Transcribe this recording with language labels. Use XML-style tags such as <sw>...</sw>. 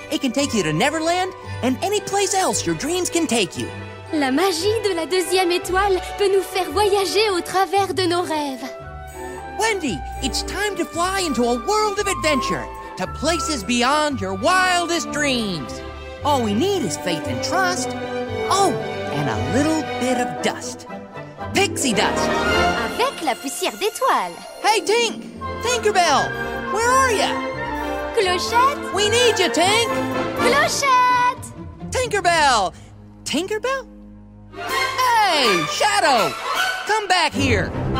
<en>Take you to Neverland and any place else your dreams can take you.</en> <fr>La magie de la deuxième étoile peut nous faire voyager au travers de nos rêves.</fr> <en>Wendy, it's time to fly into a world of adventure, to places beyond your wildest dreams. All we need is faith and trust. Oh, and a little bit of dust. Pixie dust.</en> <fr>Avec la poussière d'étoile.</fr> <en>Hey, Tink! Tinkerbell! Where are you?</en> <fr>Clochette?</fr> <en>We need you, Tink!</en> <fr>Clochette!</fr> <en>Tinkerbell! Tinkerbell? Hey, Shadow! Come back here!</en>